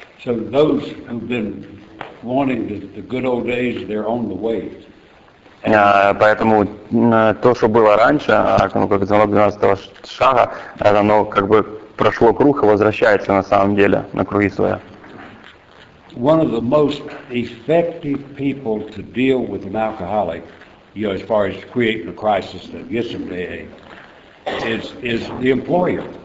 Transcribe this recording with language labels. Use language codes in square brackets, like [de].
[en] So those who've been wanting the good old days, they're on the way. [ru] Поэтому то, что было раньше, как звонок 12-го шага, оно как бы прошло круг и возвращается на самом деле на круги своя. [en] One of the most effective people to deal with an alcoholic, you know, as far as creating a crisis that gets them to AA, is the employer.